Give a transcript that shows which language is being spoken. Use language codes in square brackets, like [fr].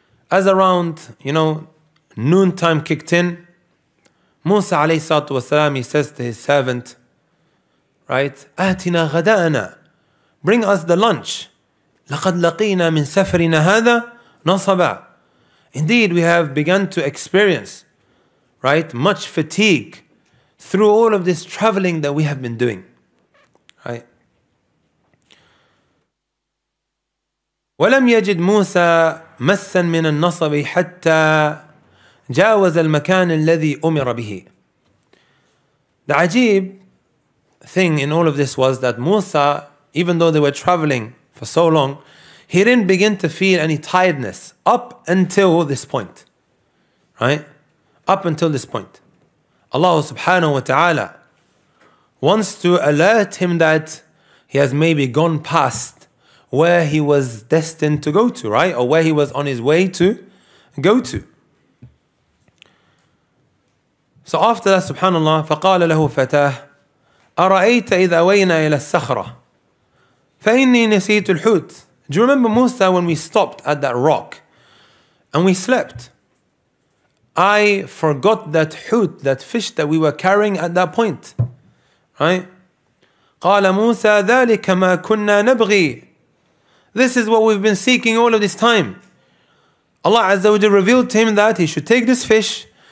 [en] As around, you know, noontime kicked in, Musa alayhi salatu wasalam, he says to his servant, right, [ar] آتِنَا غَدَاءَنَا, [en] bring us the lunch. [ar] لَقَدْ لَقِينَا مِنْ سَفَرِنَا هَذَا نَصَبًا. [en] Indeed, we have begun to experience, right, much fatigue through all of this traveling that we have been doing. [ar] ولم يجد موسى مسا من النصب حتى جاوز المكان الذي أمر به. [en] The عجيب thing in all of this was that Musa, even though they were traveling for so long, he didn't begin to feel any tiredness up until this point. Right? Up until this point. Allah subhanahu wa ta'ala wants to alert him that he has maybe gone past where he was destined to go to, right? Or where he was on his way to go to. So after that, [ar] subhanAllah, فَقَالَ لَهُ فَتَاهُ أَرَأَيْتَ إِذَا وَيْنَا إِلَى السَّخْرَةِ فَإِنِّي نَسِيتُ الْحُوتِ. [en] Do you remember Musa when we stopped at that rock and we slept? I forgot that hoot, that fish that we were carrying at that point. Right? [ar] قَالَ مُوسَى ذَلِكَ مَا كُنَّا نَبْغِي. [en] This is what we've been seeking all of this time. Allah Azza wa Jalla revealed to him that he should take this fish.